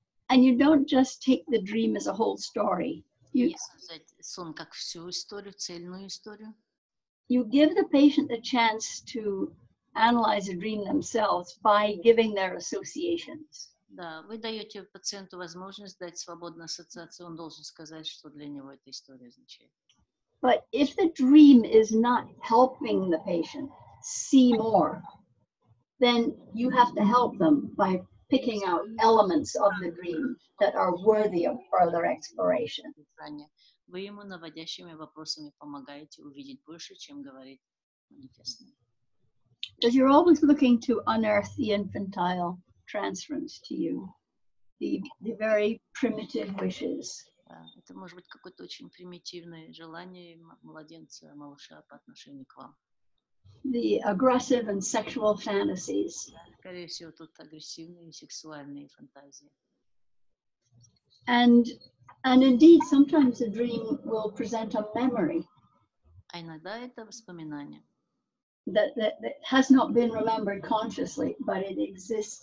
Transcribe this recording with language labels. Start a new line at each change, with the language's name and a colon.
English: And you don't just take the dream as a whole story. You give the patient the chance to analyze the dream themselves by giving their associations.
Russian: Да, вы даете пациенту возможность дать свободную ассоциацию. Он должен сказать, что для него эта история означает.
English: But if the dream is not helping the patient see more, then you have to help them by picking out elements of the dream that are worthy of further exploration.
Russian: Вы вы ему наводящими вопросами помогаете увидеть больше, чем говорит манифест.
English: Because you're always looking to unearth the infantile transference to you, the very primitive wishes.
Russian: Это может быть какое-то очень примитивное желание младенца, малыша по отношению к вам.
English: The aggressive and sexual fantasies.
Russian: Скорее всего, тут агрессивные сексуальные фантазии.
English: And indeed, sometimes a dream will present a memory.
Russian: А иногда это воспоминание.
English: That has not been remembered consciously, but it exists.